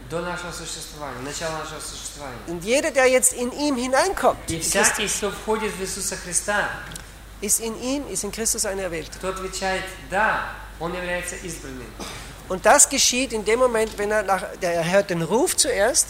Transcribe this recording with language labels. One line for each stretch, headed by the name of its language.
Russian: До нашего существования, начала нашего существования.
German: Und jeder, der jetzt in ihm hineinkommt, ist in Christus ein Erwählter.
Russian: Тот отвечает, да, он является избранным.
German: Und das geschieht in dem Moment, wenn er hört den Ruf zuerst.